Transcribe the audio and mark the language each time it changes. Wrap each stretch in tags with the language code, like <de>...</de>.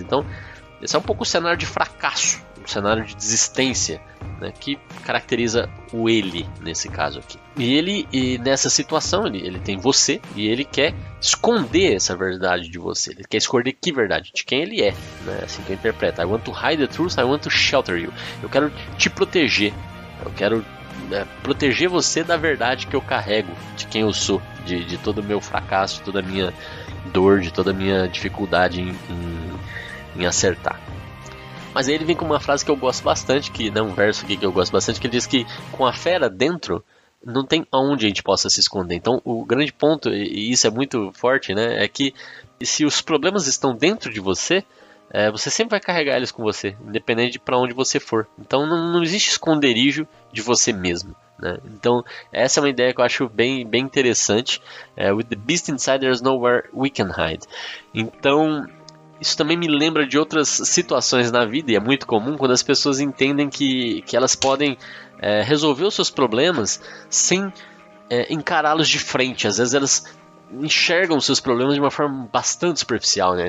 <pt>Então, esse é um pouco o cenário de fracasso, um cenário de desistência, né, que caracteriza o ele nesse caso aqui. E ele, e nessa situação, ele tem você e ele quer esconder essa verdade de você. Ele quer esconder que verdade? De quem ele é, né? Assim que eu interpreto.</pt> <en>I want to hide the truth, I want to shelter you.</en> <pt>Eu quero te proteger. Eu quero proteger você da verdade que eu carrego, de quem eu sou, de todo o meu fracasso, toda a minha dor, de toda a minha dificuldade em acertar. Mas aí ele vem com uma frase que eu gosto bastante, que, né, um verso aqui que eu gosto bastante, que ele diz que com a fera dentro, não tem aonde a gente possa se esconder. Então, o grande ponto, e isso é muito forte, né, é que se os problemas estão dentro de você, você sempre vai carregar eles com você, independente de para onde você for. Então, não existe esconderijo de você mesmo, né? Então, essa é uma ideia que eu acho bem, bem interessante.</pt> <en>With the beast inside, there's nowhere we can hide.</en> <pt>Então, isso também me lembra de outras situações na vida, e é muito comum quando as pessoas entendem que elas podem resolver os seus problemas sem encará-los de frente. Às vezes elas enxergam os seus problemas de uma forma bastante superficial, né?</pt>